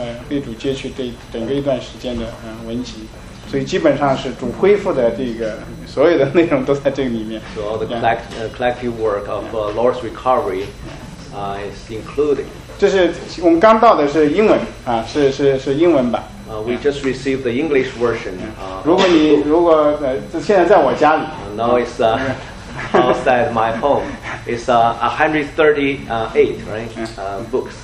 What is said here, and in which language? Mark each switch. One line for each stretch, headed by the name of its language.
Chinese: 被主接去这整个一段时间的文集，所以基本上是主恢复的这个所有的内容都在这个里面。
English: So all the collective work of Lord's recovery is included.
Chinese: 这是我们刚到的是英文啊，是英文版。
English: We just received the English version.
Chinese: 如果你如果现在在我家里。
English: Now it's outside my home. It's 138 right books.